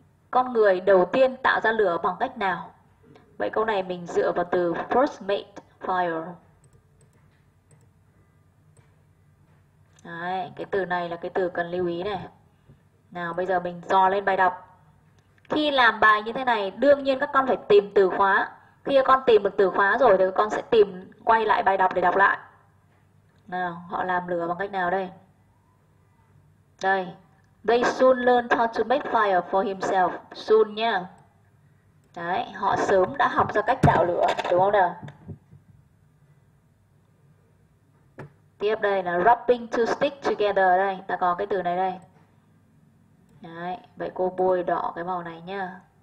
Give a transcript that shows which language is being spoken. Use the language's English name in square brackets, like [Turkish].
[Vietnamese] Con người đầu tiên tạo ra lửa bằng cách nào? Vậy câu này mình dựa vào từ [English] first made fire. [Vietnamese] Đấy, cái từ này là cái từ cần lưu ý này. Nào, bây giờ mình dò lên bài đọc. Khi làm bài như thế này, đương nhiên các con phải tìm từ khóa. Khi con tìm được từ khóa rồi thì con sẽ tìm quay lại bài đọc để đọc lại. Nào, họ làm lửa bằng cách nào đây? Đây, [English] they soon learned how to make fire for himself. [Vietnamese] Soon nha. Đấy, họ sớm đã học ra cách tạo lửa, đúng không nào? Tiếp đây là [English] rubbing two sticks together [Vietnamese] đây, ta có cái từ này đây. Đấy, vậy cô bôi đỏ cái màu này nhá.